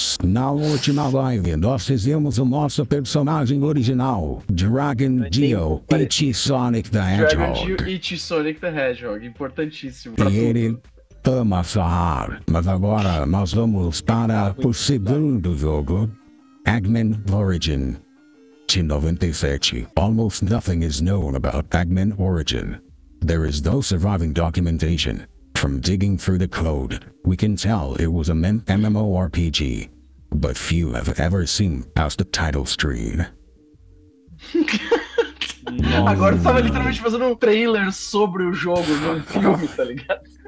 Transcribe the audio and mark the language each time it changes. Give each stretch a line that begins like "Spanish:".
Portuguese: Na última live, nós fizemos o nosso personagem original, Dragon Dio, Itchy Sonic the Hedgehog. Dragon Dio, Itchy Sonic the Hedgehog, importantíssimo pra tudo. Ele toma sarro. Mas agora nós vamos para o segundo jogo, Eggman Origin. 97.
English: Almost nothing is known about Eggman Origin. There is no surviving documentation. From digging through the code, we can tell it was a MMORPG, but few have ever seen past the title screen.
Portuguese: Agora tu tava literalmente fazendo um trailer sobre o jogo num filme, tá ligado?